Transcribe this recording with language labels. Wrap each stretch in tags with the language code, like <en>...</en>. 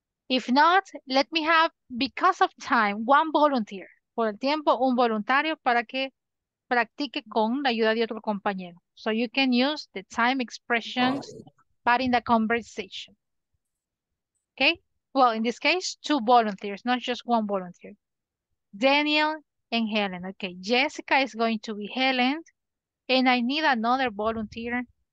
<en>If not, let me have, because of time, one volunteer.</en> <es>Por el tiempo, un voluntario para que practique con la ayuda de otro compañero.</es> <en>So you can use the time expressions but in the conversation. Okay? Well, in this case, two volunteers, not just one volunteer. Daniel and Helen. Okay, Jessica is going to be Helen, and I need another volunteer.</en>